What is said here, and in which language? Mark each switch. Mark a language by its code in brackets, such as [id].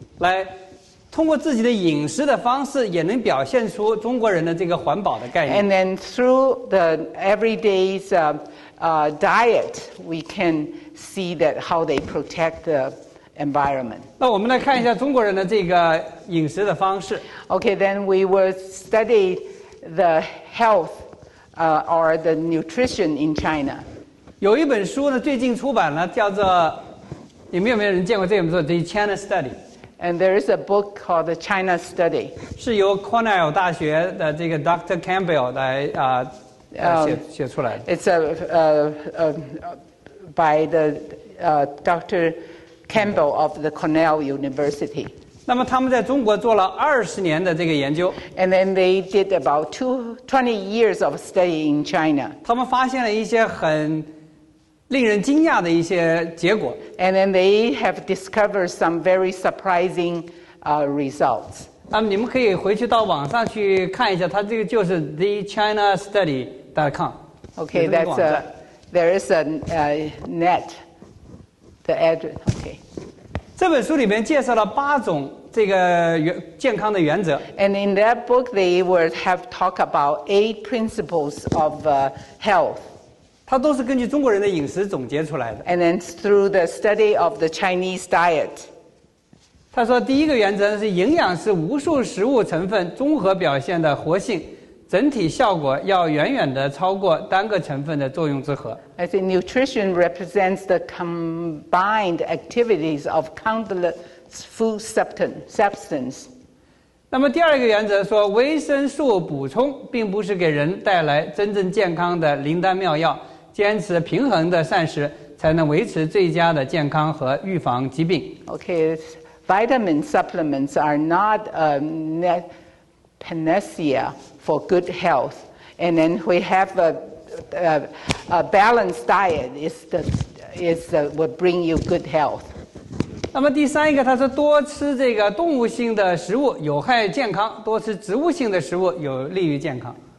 [zh] 来通过自己的饮食的方式也能表现出中国人的这个环保的概念。 [en] And then through the everyday's diet, we can see that how they protect the environment. [zh] 那我们来看一下中国人的这个饮食的方式。 [en] Okay, then we will study the health or the nutrition in China. [zh] 有一本书呢最近出版了，叫做你们有没有人见过这本书 The China Study? [en] And there is a book called The China Study. [zh] 是由 Cornell 大学的这个 Dr. Campbell 来写出来的。 [en] It's by the Dr. Campbell of the Cornell University. [zh] 那么他们在中国做了20年的这个研究。 [en] And then they did about 20 years of study in China. [zh] 他们发现了一些很令人惊讶的一些结果。 [en] And then they have discovered some very surprising results. [zh] 那么你们可以回去到网上去看一下，它这个就是 thechinastudy.com. [en] Okay, that's a, there is a net, the address, okay. [zh] 这本书里面介绍了八种这个健康的原则。 [en] And in that book, they would have talked about 8 principles of health. [zh] 它都是根据中国人的饮食总结出来的。 [en] And then through the study of the Chinese diet. [zh] 他说第一个原则是营养是无数食物成分综合表现的活性，整体效果要远远的超过单个成分的作用之和。 [en] I think nutrition represents the combined activities of countless food substance. [zh] 那么第二个原则说维生素补充并不是给人带来真正健康的灵丹妙药。坚持平衡的膳食才能维持最佳的健康和预防疾病。 [en] Okay, vitamin supplements are not a panacea for good health. And then we have a balanced diet is the is will bring you good health. [zh] 那么第三一个，他说多吃这个动物性的食物有害健康，多吃植物性的食物有利于健康。